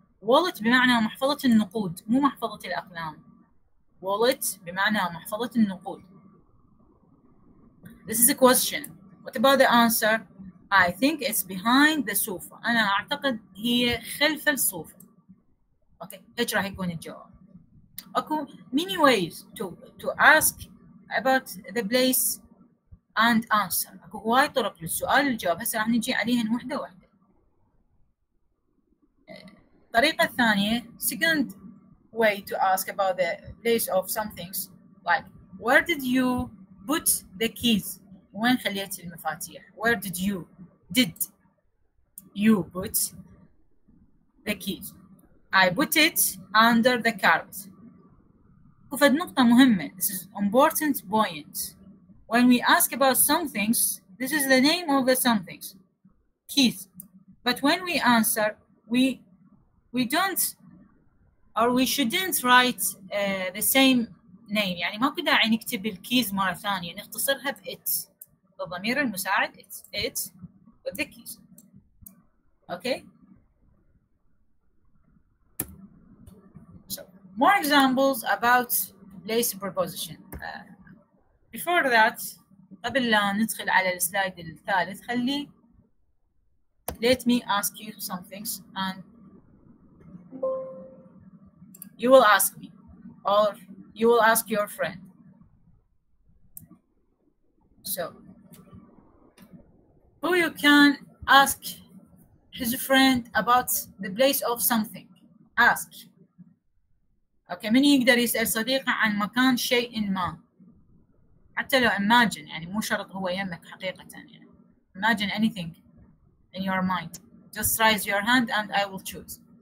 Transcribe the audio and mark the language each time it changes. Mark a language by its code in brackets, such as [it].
[ar] Wallet بمعنى محفظة النقود مو محفظة الأقلام. Wallet بمعنى محفظة النقود. [en] This is a question. What about the answer? I think it's behind the sofa. [ar] أنا أعتقد هي خلف الصوفة. Okay. إيش راح يكون الجواب؟ اكو [en] many ways to ask about the place and answer. [ar] اكو هواي طرق للسؤال والجواب، هسه راح نجي عليهن وحده وحده. الطريقه الثانيه [en] second way to ask about the place of some things like where did you put the keys، [ar] وين خليت المفاتيح. [en] Where did you put the keys؟ I put it under the carpet. [ar] وفد نقطة مهمة. [en] This is important point. When we ask about some things, this is the name of the some things. Keys. But when we answer, we don't or we shouldn't write the same name. [ar] يعني ما كدا عين نكتب الكيز مرة ثانية. نختصرها بIt. بالضمير المساعد. [en] It with the keys. Okay. More examples about place preposition. Before that, [ar] قبل لا ندخل على السلايد الثالث، خلي [en] let me ask you some things and you will ask me or you will ask your friend. So, who you can ask his friend about the place of something? Ask. [ar] اوكي من يقدر يسأل صديقه عن مكان شيء ما، حتى لو imagine، يعني مو شرط هو يمك حقيقة، يعني [en] imagine anything in your mind, just raise your hand and I will choose.